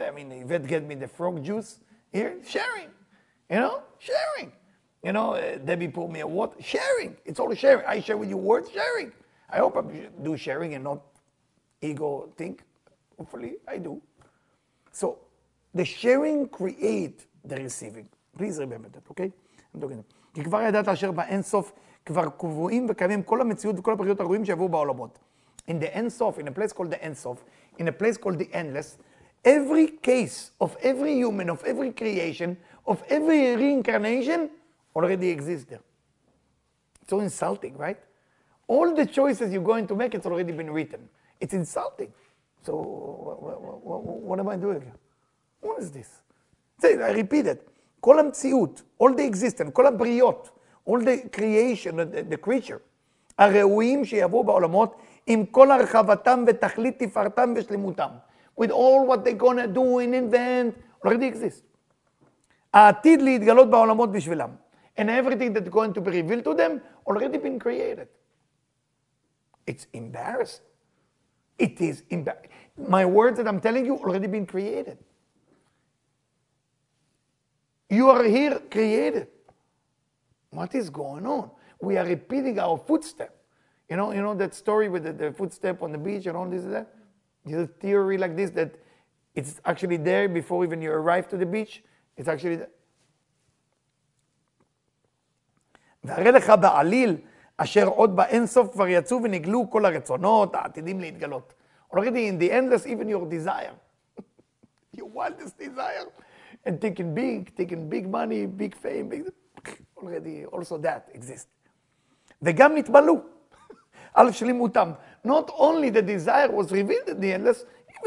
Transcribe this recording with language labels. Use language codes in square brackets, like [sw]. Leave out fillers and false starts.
[en] I mean, Yvette gave me the frog juice here. Sharing. You know? Sharing. You know, Debbie pulled me a water. Sharing. It's all sharing. I share with you words. Sharing. I hope I do sharing and not ego think. Hopefully, I do. So, the sharing create the receiving. Please remember that, okay? I'm talking about [he] כי כבר ידעת אשר באינסוף כבר קבועים וקיימים כל המציאות וכל הפריות הרואים שיבואו בעולמות. [en] In the endsof, in a place called the endsof, in a place called the endless, every case of every human, of every creation, of every reincarnation already exists there. It's so insulting, right? All the choices you're going to make, it's already been written. It's insulting. So what am I doing here? What is this? See, I repeat it. [he] כל המציאות, [en] all the existence, [he] כל הבריות, [en] all the creation, the creature, [he] הראויים שיבואו בעולמות עם כל הרחבתם ותכלית תפארתם ושלמותם. [en] With all what they're gonna do and invent, already exist. [he] העתיד להתגלות בעולמות בשבילם. [en] And everything that's going to be revealed to them already been created. It's embarrassing. It is embarrassing. My words that I'm telling you already been created. You are here created. What is going on? We are repeating our footstep. You know that story with the footstep on the beach and all this and that? There's a theory like this that it's actually there before even you arrive to the beach. It's actually there. [he] והרי לך בעליל אשר עוד באינסוף כבר יצאו ונגלו כל הרצונות העתידים להתגלות. [en] Already in the endless, even your desire. Your wildest desire. And taking big money, big fame, big, already, also that exists. [he] וגם נתבלו על שלימותם. [en] Not only the desire was revealed in the endless, even